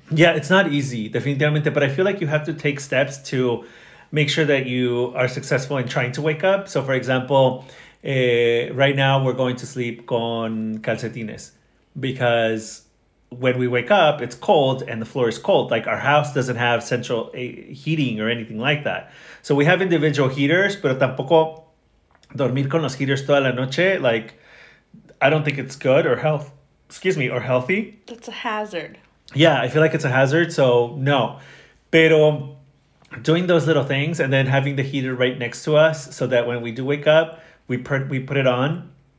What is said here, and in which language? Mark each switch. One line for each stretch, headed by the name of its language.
English: Yeah, it's not easy, definitivamente, but I feel like you have to take steps to make sure that you are successful in trying to wake up. So, for example, right now we're going to sleep con calcetines because when we wake up, it's cold and the floor is cold. Like, our house doesn't have central heating or anything like that.
Spanish: So we have individual heaters, pero tampoco dormir con los heaters toda la noche.
English: Like, I don't think it's good or healthy. That's a hazard. Yeah, I feel like it's a hazard. So, no. Pero... doing those little things and then having the heater right next to us so that when we do wake up, we put it on.